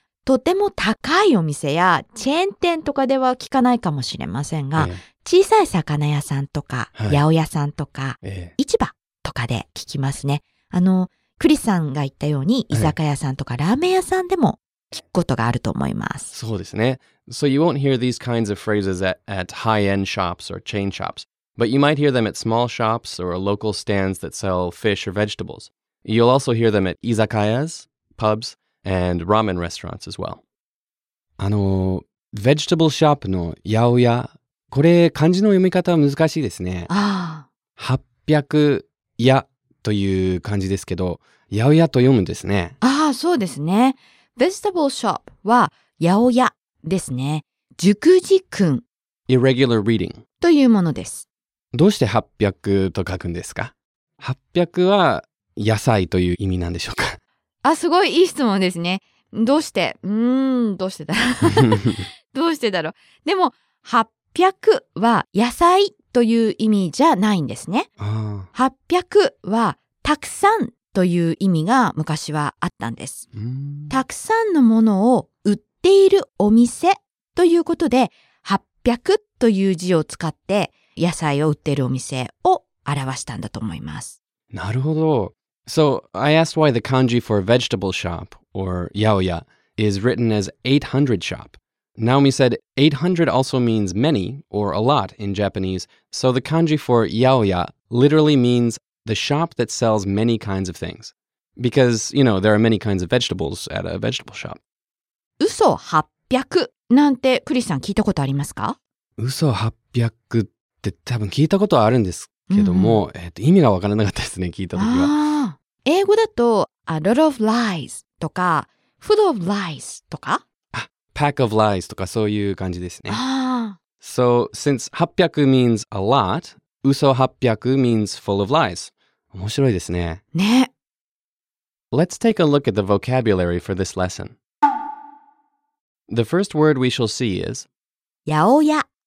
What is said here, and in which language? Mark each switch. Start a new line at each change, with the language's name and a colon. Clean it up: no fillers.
Japanese: とても高いお店やチェーン店とかでは聞かないかもしれませんが、ええ、小さい魚屋さんとか、はい、八百屋さんとか、ええ、市場とかで聞きますね。クリスさんが言ったように、居酒屋さんとかラーメン屋さんでも聞くことがあると思います。そうですね。
English: So you won't hear these kinds of phrases at high-end shops or chain shops, but you might hear them at small shops or local stands that sell fish or vegetables. You'll also hear them at 居酒屋 pubs,and ramen restaurants as well. Vegetable shop
Japanese: の八百屋、これ漢字の読み方は難しいですね。八百屋という漢字ですけど、八百屋と読むんですね。ああ、そうですね。
English: Vegetable shop
Japanese: は八百屋ですね。熟字訓。
English: Irregular reading.
Japanese: というものです。どうして八百と書くんですか？八百は野菜という意味なんでしょうか？あ、すごいいい質問ですね。どうして？どうしてだろう。どうしてだろう。でも、800は野菜という意味じゃないんですね。 800はたくさんという意味が昔はあったんです。たくさんのものを売っているお店ということで、800という字を使って野菜を売っているお店を表したんだと思います。なるほど。
English: So, I asked why the kanji for vegetable shop, or yaoya, is written as 800 shop. Naomi said 800 also means many, or a lot, in Japanese, so the kanji for yaoya literally means the shop that sells many kinds of things. Because, you know, there are many kinds of vegetables at a vegetable shop.
Japanese: 嘘800なんてクリスさん聞いたことありますか？嘘800って多分聞いたことあるんですけども、意味がわからなかったですね、聞いた時は。英語だと、
English: a lot of lies とか、full of lies とか、
Japanese: あ、
English: pack of lies
Japanese: とかそういう感じですね。ああ。
English: So, since 800 means a lot, 嘘800 means full of lies.
Japanese: 面白いですね。ね。
English: Let's take a look at the vocabulary for this lesson. The first word we shall see is
Japanese: 八百屋